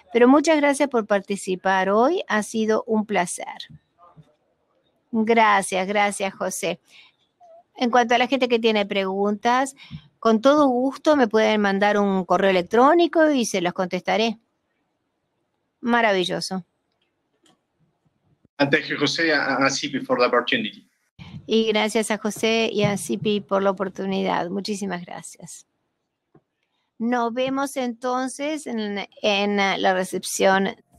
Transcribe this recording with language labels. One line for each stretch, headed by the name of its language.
Spanish: Pero muchas gracias por participar hoy. Ha sido un placer. Gracias, gracias, José. En cuanto a la gente que tiene preguntas, con todo gusto me pueden mandar un correo electrónico y se los contestaré. Maravilloso.
English: Thank you, José, a CIPI for the opportunity.
Spanish: Y gracias a José y a CIPI por la oportunidad. Muchísimas gracias. Nos vemos entonces en la recepción.